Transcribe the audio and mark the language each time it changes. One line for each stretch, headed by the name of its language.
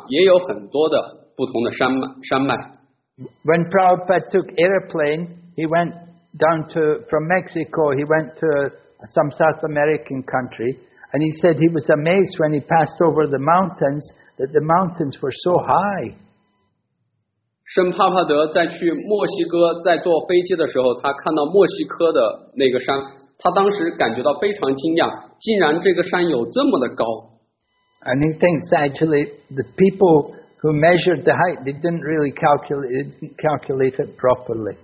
Chinese: 圣帕帕的说，就像我们在这个地球上也有很多的不同的山脉。
English: When Prabhupada took airplane, he went down to, from Mexico, he went to some South American country, and he said he was amazed when he passed over the mountains that the mountains were so high.
Chinese: 圣帕帕德在去墨西哥，在坐飞机的时候，他看到墨西哥的那个山，他当时感觉到非常惊讶，竟然这个山有这么的高。
English: And he thinks actually the people who measured the height, they didn't really calculate, they didn't calculate it properly.